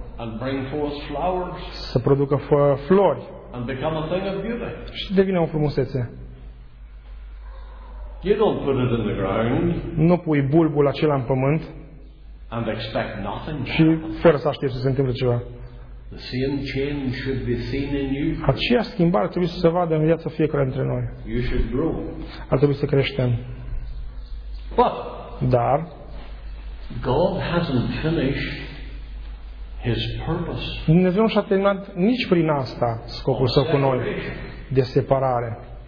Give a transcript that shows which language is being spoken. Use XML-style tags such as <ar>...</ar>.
<en>and bring forth flowers,</en> <ro>să producă flori,</ro> <en>and become a thing of beauty,</en> <ro>și devine o frumusețe.</ro> <en>You don't put it in the ground,</en> <ro>nu pui bulbul acela în pământ</ro> <en>and expect nothing,</en> <ro>și fără să aștepți să se întâmple ceva.</ro> <en>The same change should be seen in you.</en> <ro>Aceeași schimbare trebuie să se vadă în viața fiecare dintre noi.</ro> <en>You should grow.</en> <ro>Ar trebui să creștem.</ro> <en>But</en> <ro>dar</ro> <en>God hasn't finished his purpose.</en> <ro>Dumnezeu nu și-a terminat nici prin asta scopul său cu noi de separare.</ro>